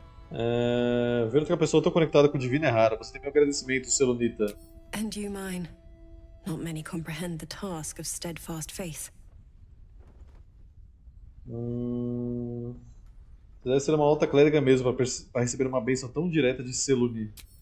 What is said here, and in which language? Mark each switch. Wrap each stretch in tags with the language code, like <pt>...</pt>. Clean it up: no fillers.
<pt>Ver outra pessoa tão conectada com o divino é raro. Você tem meu agradecimento, Selunita.</pt> <en>And you mine. Not many comprehend the task of steadfast faith.</en> <pt>Você deve ser uma alta clériga mesmo para receber uma bênção tão direta de Seluni.</pt>